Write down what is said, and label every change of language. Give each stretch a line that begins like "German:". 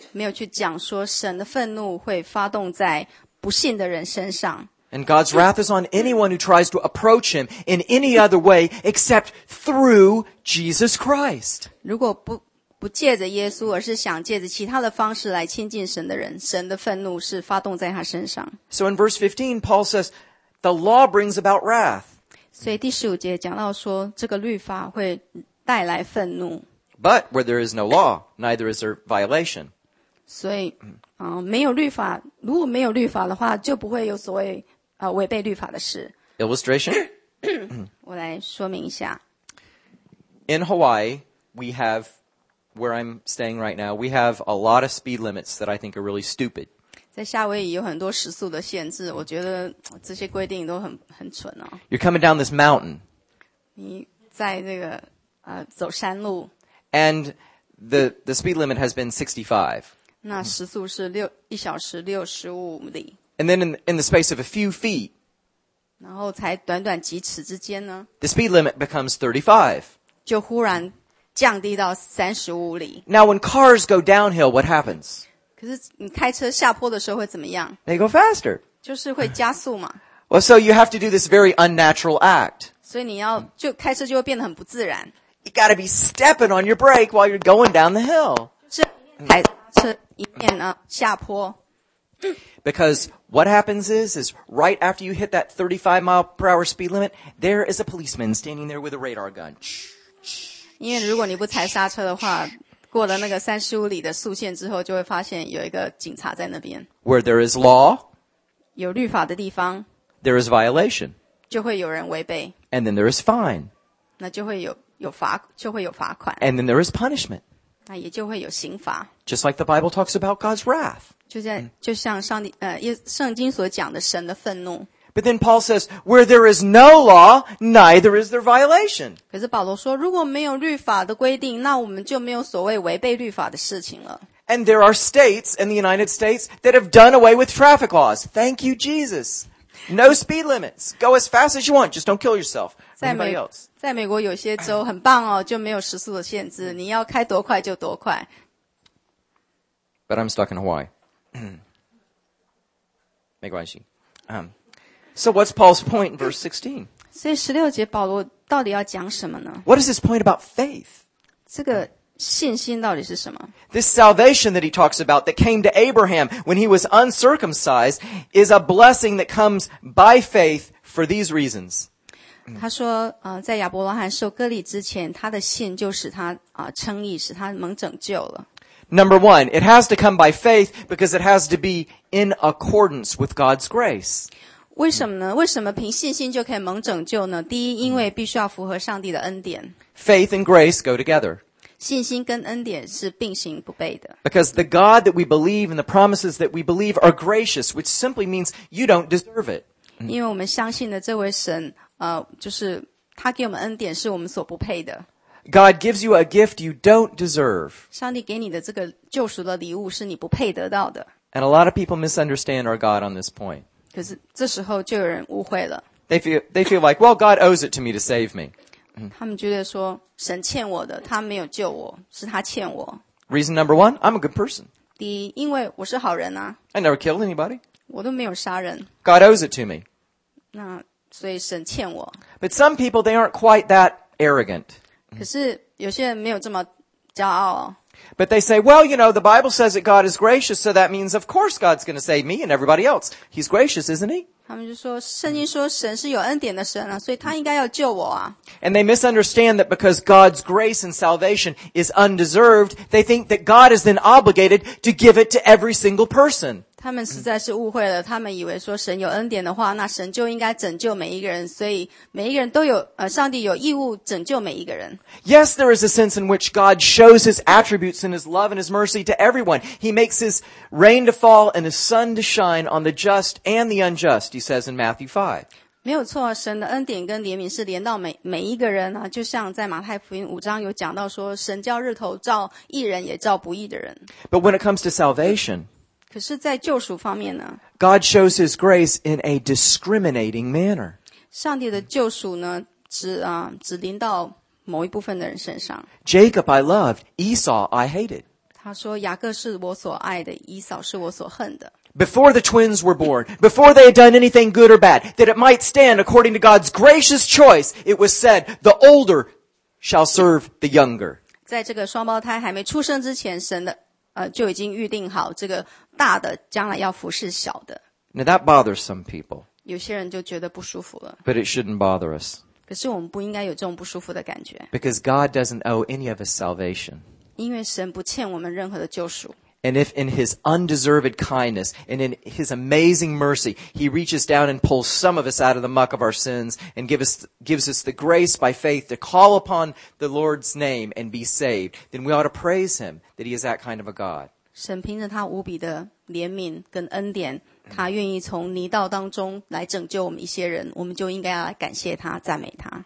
Chinese: 没有去讲说神的愤怒会发动在不信的人身上。
English: And God's wrath is on anyone who tries to approach Him in any other way except through Jesus Christ.
Chinese: 如果不借着耶稣，而是想借着其他的方式来亲近神的人，神的愤怒是发动在他身上。
English: So in verse 15, Paul says, "The law brings about wrath."
Chinese: 所以第十五节讲到说，这个律法会带来愤怒。
English: But where there is no law, neither is there violation.
Chinese: 所以，没有律法，如果没有律法的话，就不会有所谓违背律法的事。
English: Illustration.
Chinese: 我来说明一下。
English: In Hawaii, we have where I'm staying right now. We have a lot of speed limits that I think are really stupid.
Chinese: 在夏威夷有很多时速的限制，我觉得这些规定都很蠢哦。
English: You're coming down this mountain.
Chinese: 你在那个走山路。
English: And the speed limit has been 65.
Chinese: 那时速是六一小时六十五里。
English: And then in the space of a few feet.
Chinese: 然后才短短几尺之间呢。
English: The speed limit becomes 35.
Chinese: 就忽然降低到三十五里。
English: Now when cars go downhill, what happens?
Chinese: 可是你开车下坡的时候会怎么样
English: ？They go faster.
Chinese: 就是会加速嘛。
English: Well, so you have to do this very unnatural act.
Chinese: 所以你要就开车就会变得很不自然。
English: You gotta be stepping on your brake while you're going down the hill.
Chinese: 是踩刹车一面呢下坡
English: Because what happens is right after you hit that 35 mile per hour speed limit, there is a policeman standing there with a radar gun.
Chinese: 因为如果你不踩刹车的话，过了那个35里的速限之后，就会发现有一个警察在那边。
English: Where there is law,
Chinese: 有律法的地方
English: there is violation,
Chinese: 就会有人违背。
English: And then there is fine,
Chinese: 那就会有罚，就会有罚款。
English: And then there is punishment,
Chinese: 那也就会有刑罚。
English: Just like the Bible talks about God's wrath,
Chinese: 就像上帝圣经所讲的神的愤怒。
English: But then Paul says, where there is no law, neither is there violation.
Chinese: 可是保罗说，如果没有律法的规定，那我们就没有所谓违背律法的事情了。
English: And there are states in the United States that have done away with traffic laws. Thank you, Jesus. No speed limits. Go as fast as you want. Just don't kill yourself. Anybody else?
Chinese: 在美国有些州很棒哦，就没有时速的限制，你要开多快就多快。
English: But I'm stuck in Hawaii.
Chinese: 没关系。
English: So what's Paul's point in verse 16?
Chinese: 所以16节保罗到底要讲什么呢?
English: What is his point about faith?
Chinese: 这个信心到底是什么?
English: This salvation that he talks about that came to Abraham when he was uncircumcised is a blessing that comes by faith for these reasons.
Chinese: 他说在亚伯罗罕受割礼之前他的信就使他称义使他蒙拯救了。
English: Number one, it has to come by faith because it has to be in accordance with God's grace.
Chinese: 为什么呢？为什么凭信心就可以蒙拯救呢？第一，因为必须要符合上帝的恩典。
English: Faith and grace go together.
Chinese: 信心跟恩典是并行不悖的。
English: Because the God that we believe and the promises that we believe are gracious, which simply means you don't deserve it.
Chinese: 因为我们相信的这位神，就是他给我们恩典是我们所不配的。
English: God gives you a gift you don't deserve.
Chinese: 上帝给你的这个救赎的礼物是你不配得到的。
English: And a lot of people misunderstand our God on this point.
Chinese: 可是这时候就有人误会了。
English: They feel like, well, God owes it to me to save me.
Chinese: 他们觉得说神欠我的，他没有救我，是他欠我。
English: Reason number one, I'm a good person.
Chinese: 第一，因为我是好人啊。
English: I never killed anybody.
Chinese: 我都没有杀人。
English: God owes it to me.
Chinese: 那所以神欠我。
English: But some people, they aren't quite that arrogant.
Chinese: 可是有些人没有这么骄傲哦。
English: But they say, well, you know, the Bible says that God is gracious, so that means, of course, God's going to save me and everybody else. He's gracious, isn't he?
Chinese: 他们就说，圣经说神是有恩典的神啊，所以他应该要救我啊。
English: And they misunderstand that because God's grace and salvation is undeserved, they think that God is then obligated to give it to every single person.
Chinese: 他们实在是误会了，他们以为说神有恩典的话，那神就应该拯救每一个人，所以每一个人都有，上帝有义务拯救每一个人。
English: Yes, there is a sense in which God shows his attributes and his love and his mercy to everyone. He makes his rain to fall and his sun to shine on the just and the unjust, he says in Matthew 5.
Chinese: 没有错，神的恩典跟怜悯是连到每一个人啊，就像在马太福音五章有讲到说，神叫日头照义人也照不义的人。
English: But when it comes to salvation,
Chinese: 可是在救赎方面呢?
English: God shows his grace in a discriminating manner.
Chinese: 上帝的救赎呢, 只临到某一部分的人身上。
English: Jacob I loved, Esau I hated.
Chinese: 他说雅各是我所爱的, 以扫是我所恨的。
English: Before the twins were born, before they had done anything good or bad, that it might stand according to God's gracious choice, it was said, the older shall serve the younger.
Chinese: 在这个双胞胎还没出生之前,神的就已经预定好这个大的将来要服侍小的。
English: Now that bothers some people.
Chinese: 有些人就觉得不舒服了。
English: But it shouldn't bother us.
Chinese: 可是我们不应该有这种不舒服的感觉。
English: Because God doesn't owe any of us salvation.
Chinese: 因为神不欠我们任何的救赎。
English: And if in his undeserved kindness and in his amazing mercy, he reaches down and pulls some of us out of the muck of our sins and gives us the grace by faith to call upon the Lord's name and be saved, then we ought to praise him that he is that kind of a God.
Chinese: 神凭着他无比的怜悯跟恩典，他愿意从泥道当中来拯救我们一些人，我们就应该要来感谢他，赞美他。